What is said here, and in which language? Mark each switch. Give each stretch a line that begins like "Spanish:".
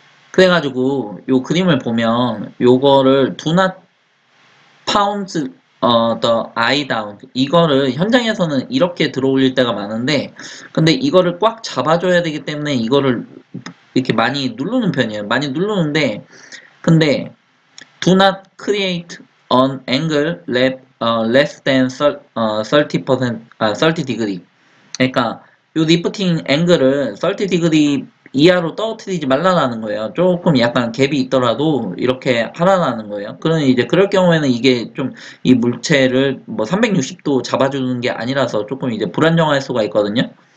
Korean: 그래가지고 요 그림을 보면 요거를 do not pound the eye down 이거를 현장에서는 이렇게 들어올릴 때가 많은데 근데 이거를 꽉 잡아줘야 되기 때문에 이거를 이렇게 많이 누르는 편이에요.
English: 많이 누르는데 근데 do not create an angle lap less than 30%, 30 degree.
Korean: 그러니까 요 리프팅 앵글을 30 degree 이하로 떨어뜨리지 말라라는 거예요. 조금 약간 갭이 있더라도 이렇게 하라라는 거예요. 그러면 이제 그럴 경우에는 이게 좀이 물체를 뭐 360도 잡아주는 게 아니라서 조금 이제 불안정할 수가 있거든요.